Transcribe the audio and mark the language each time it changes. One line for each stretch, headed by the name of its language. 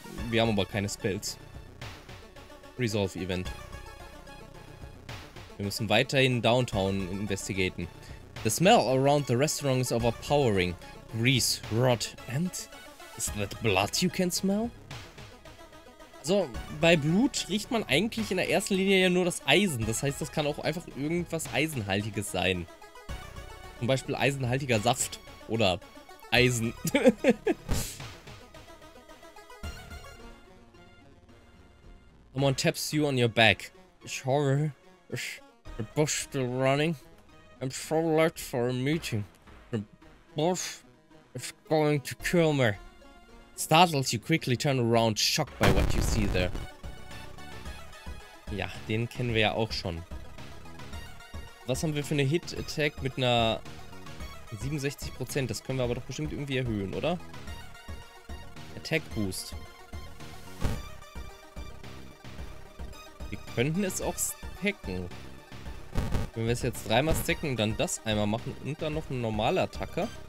German: Wir haben aber keine Spells.
English: Resolve Event.
German: Wir müssen weiterhin downtown investigaten.
English: The smell around the restaurant is overpowering. Grease, rot, and is that blood you can smell?
German: Also, bei Blut riecht man eigentlich in der ersten Linie ja nur das Eisen. Das heißt, das kann auch einfach irgendwas Eisenhaltiges sein. Zum Beispiel eisenhaltiger Saft oder Eisen.
English: Someone taps you on your back. Sure, is the bus still running? I'm so late for a meeting. The bus is going to kill me. Startles, you quickly turn around, shocked by what you see there.
German: Ja, den kennen wir ja auch schon. Was haben wir für eine Hit-Attack mit einer 67%? Das können wir aber doch bestimmt irgendwie erhöhen, oder? Attack-Boost. Wir könnten es auch stacken. Wenn wir es jetzt dreimal stacken, dann das einmal machen und dann noch eine normale Attacke.